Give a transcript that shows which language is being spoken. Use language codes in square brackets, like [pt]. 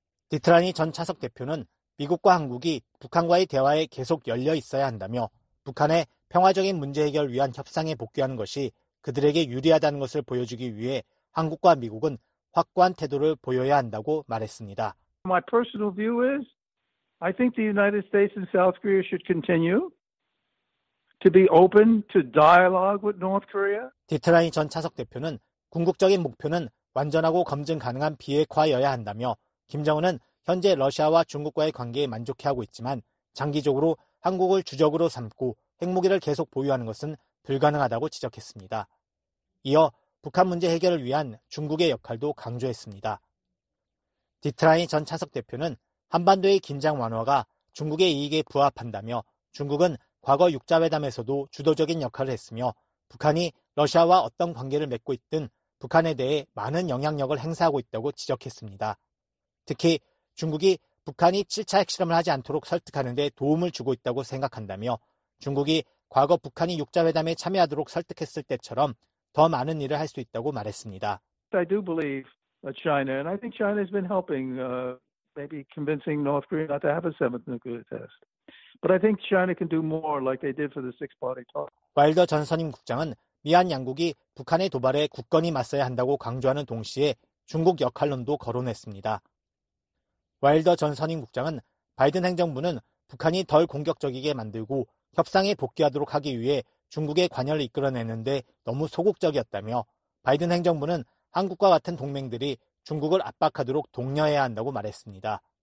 [ko] 디트라니 전 차석 대표는 미국과 한국이 북한과의 대화에 계속 열려 있어야 한다며 북한의 평화적인 문제 해결을 위한 협상에 복귀하는 것이 그들에게 유리하다는 것을 보여주기 위해 한국과 미국은 확고한 태도를 보여야 한다고 말했습니다. [en] My personal view is I think the United States and South Korea should continue to be open to dialogue with North Korea. [ko] 디트라니 전 차석 대표는 궁극적인 목표는 완전하고 검증 가능한 비핵화여야 한다며 김정은은 현재 러시아와 중국과의 관계에 만족해하고 있지만 장기적으로 한국을 주적으로 삼고 핵무기를 계속 보유하는 것은 불가능하다고 지적했습니다. 이어 북한 문제 해결을 위한 중국의 역할도 강조했습니다. 디트라이 전 차석 대표는 한반도의 긴장 완화가 중국의 이익에 부합한다며 중국은 과거 6자회담에서도 주도적인 역할을 했으며 북한이 러시아와 어떤 관계를 맺고 있든 북한에 대해 많은 영향력을 행사하고 있다고 지적했습니다. 특히 중국이 북한이 7차 핵실험을 하지 않도록 설득하는 데 도움을 주고 있다고 생각한다며 중국이 과거 북한이 6자회담에 참여하도록 설득했을 때처럼 더 많은 일을 할 수 있다고 말했습니다. [en] I do believe China, and I think China's been helping, maybe convincing North Korea not to have a seventh nuclear test. But I think China can do more like they did for the six-party talk. [ko] 와일더 전 선임 국장은 미한 양국이 북한의 도발에 굳건히 맞서야 한다고 강조하는 동시에 중국 역할론도 거론했습니다. 와일더 전 선임 국장은 바이든 행정부는 북한이 덜 공격적이게 만들고 협상에 복귀하도록 하기 위해 중국의 관여를 이끌어내는데 너무 소극적이었다며 바이든 행정부는 한국과 같은 동맹들이 중국을 압박하도록 독려해야 한다고 말했습니다.